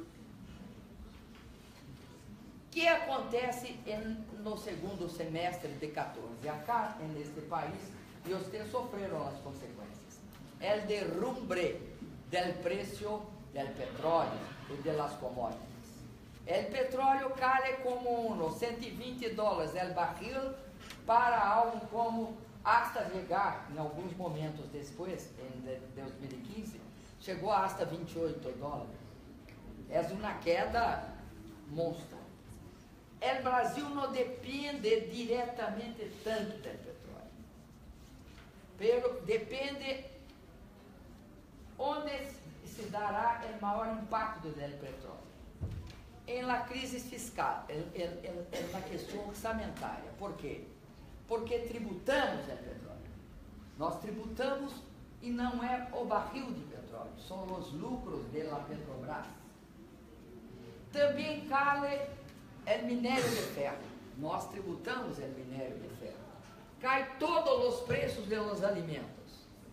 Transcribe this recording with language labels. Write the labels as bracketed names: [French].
[Portuguese] O que acontece no segundo semestre de 14? [Spanish] Acá, en este país, ustedes [Portuguese] sofreram as consequências. [Spanish] El derrumbe del precio del petróleo e de las commodities. El petróleo cae como unos 120 dólares el barril para algo como, hasta [Portuguese] chegar, em alguns momentos depois, em 2015, chegou [Spanish] hasta 28 dólares. [Portuguese] É uma queda monstruosa. [Spanish] El Brasil no depende directamente tanto del petróleo, pero depende donde se dará el mayor impacto del petróleo. En la crisis fiscal, en la cuestión orçamentaria. ¿Por qué? Porque tributamos el petróleo. Nos tributamos y no es el barril de petróleo, son los lucros de la Petrobras. También cale el minério de ferro. [Portuguese] Nós tributamos el minério de ferro. Cai todos os preços [Spanish] de los alimentos.